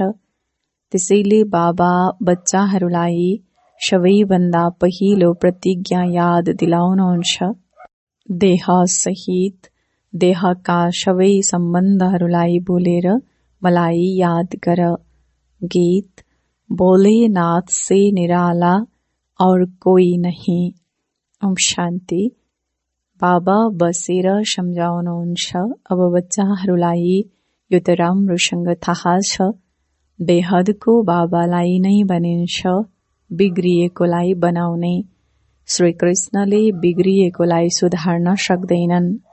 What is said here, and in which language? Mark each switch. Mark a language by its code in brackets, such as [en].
[ne] त्यसैले बाबा बच्चाहरूलाई सबैभन्दा पहिलो प्रतिज्ञा याद दिलाउनुहुन्छ। देह सहित देहका सबै सम्बन्धहरूलाई भुलेर मलाई याद गर। [hi] गीत: बोले नाथ से निराला और कोई नहीं। [ne] ओम शान्ति। बाबा बसेर सम्झाउनुहुन्छ, अब बच्चाहरूलाई यो त राम्रोसँग थाहा छ, बेहदको बाबालाई नै भनिन्छ बिग्रिएकोलाई बनाउने। श्रीकृष्णले बिग्रिएकोलाई सुधार्न सक्दैनन्।